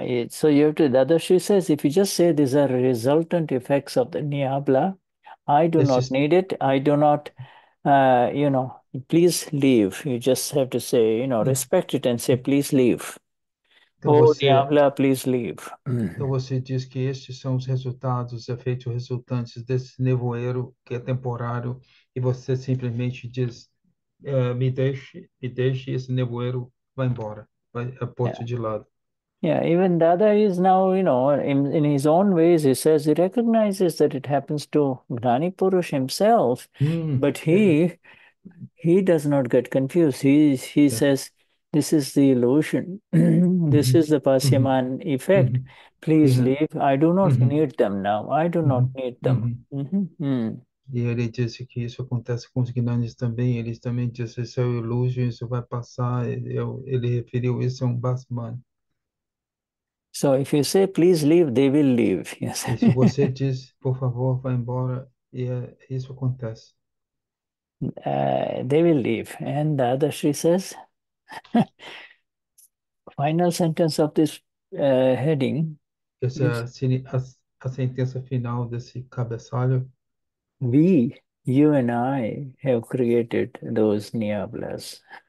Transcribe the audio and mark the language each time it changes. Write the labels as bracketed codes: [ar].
[en] So you have to, the other, she says, if you just say these are resultant effects of the Niabla, I do not need it. I do not, you know, please leave. You just have to say, you know, respect it and say, please leave. [pt] Então [en] Oh, Diabla, please leave. [pt] você diz que estes são os resultados, efeitos resultantes desse nevoeiro que é temporário, e você simplesmente diz, me deixe, esse nevoeiro vai embora, vai posto de lado. [en] Yeah, even Dada is now, in his own ways, he says he recognizes that it happens to Gnani Purush himself, but he does not get confused. He says, this is the illusion. This is the Pashyaman effect. Please leave. I do not need them now. I do not need them. [pt] E ele disse que isso acontece com os gnanes também. Eles também disse, isso é um ilusão, isso vai passar. Ele referiu isso a um Basman. [en] So if you say please leave, they will leave. Yes. [pt] E se você diz, por favor, vá embora, e isso acontece. [en] They will leave. And the other she says, final sentence of this heading is [pt] Essa é a sentença final desse cabeçalho. [en] we, you and I, have created those niablas.